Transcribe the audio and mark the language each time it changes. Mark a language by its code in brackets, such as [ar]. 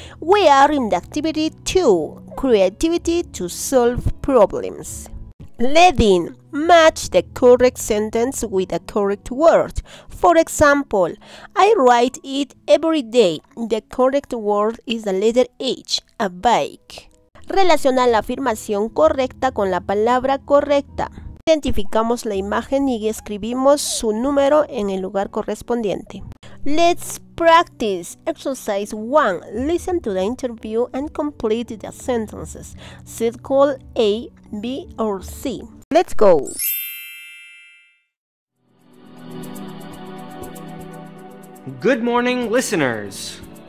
[en] We are in the activity 2, creativity to solve problems. Letting match the correct sentence with the correct word. For example, I write it every day. The correct word is the letter H, a bike. [es] Relaciona la afirmación correcta con la palabra correcta. Identificamos la imagen y escribimos su número en el lugar correspondiente. [en] Let's practice. Exercise 1. Listen to the interview and complete the sentences. Circle A, B, or C. Let's go. Good morning, listeners.